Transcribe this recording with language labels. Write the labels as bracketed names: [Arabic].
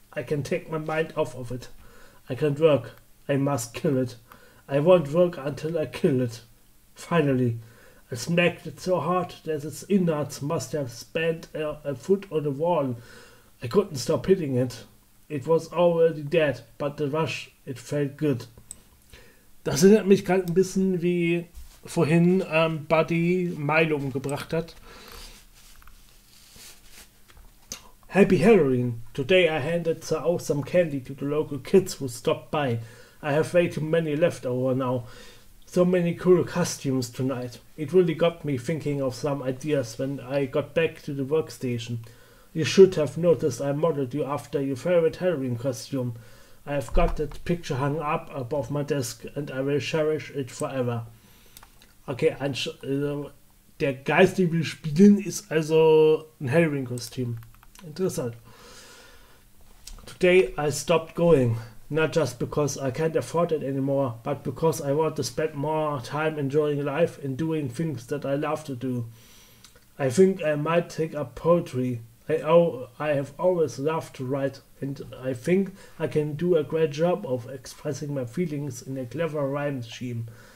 [English] I can take my mind off of it. I can't work. I must kill it. I won't work until I kill it. Finally, I smacked it so hard that its innards must have spent a foot on the wall. I couldn't stop hitting it. It was already dead, but the rush, it felt good. [German] Das erinnert mich gerade ein bisschen, wie vorhin Buddy Milo umgebracht hat. [English] Happy Halloween! Today I handed Sir O some candy to the local kids who stopped by. I have way too many left over now. So many cool costumes tonight. It really got me thinking of some ideas when I got back to the workstation. You should have noticed I modeled you after your favorite Halloween costume. I have got that picture hung up above my desk and I will cherish it forever. [German] Okay, der Geist, den wir spielen, ist also ein Halloween-Kostüm. Interessant. [English] Today I stopped going. Not just because I can't afford it anymore, but because I want to spend more time enjoying life and doing things that I love to do. I think I might take up poetry. I have always loved to write, and I think I can do a great job of expressing my feelings in a clever rhyme scheme.